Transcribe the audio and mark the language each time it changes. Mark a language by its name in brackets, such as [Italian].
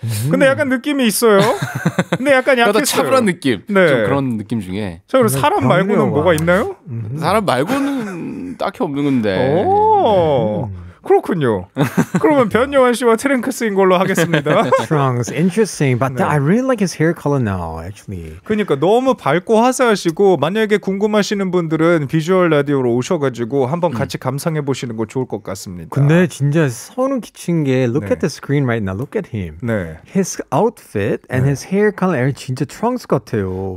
[Korean] 근데 약간 느낌이 있어요. 근데 약간 약간 차분한 느낌. 네. 좀 그런 느낌 중에. 자, 그럼 사람 말고는 뭐가 있나요? 사람 말고는 딱히 없는 건데. 오 그렇군요. 그러면 변요한 씨와 트렁크스인 걸로 하겠습니다. [English] Trunks, interesting. But 네. I really like his hair color now, actually. [Korean] 그러니까 너무 밝고 화사하시고 만약에 궁금하시는 분들은 비주얼 라디오로 오셔가지고 한번 같이 감상해 보시는 거 좋을 것 같습니다. 근데 진짜 소름 끼친 게 [English] look 네. at the screen right now. Look at him. [Korean] 네. [English] His outfit and 네. his hair color [Korean] 진짜 Trunks 같아요.